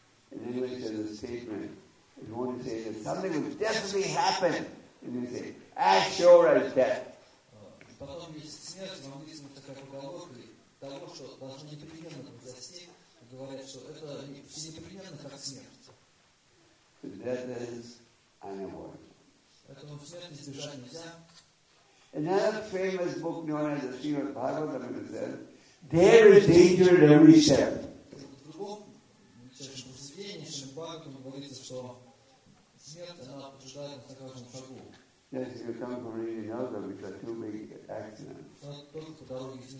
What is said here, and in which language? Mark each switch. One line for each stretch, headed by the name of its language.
English: In English there's a statement. If you want to say that something will definitely happen, and you say, as sure as death.
Russian: Потом есть смерть, но мы видим такая поговорка того, что должно непременно произойти, говорят, что это все непременно как смерть.
English: That is unavoidable.
Russian: Поэтому смерть избежать нельзя.
English: Another famous book known as the Srimad Bhagavatam says, there is danger in every step.
Russian: В другом, в известнейшем Бхагаватам говорится, что смерть, она побеждает на каждом шагу.
English: Yes, if you come from India, you know that we've got two big accidents.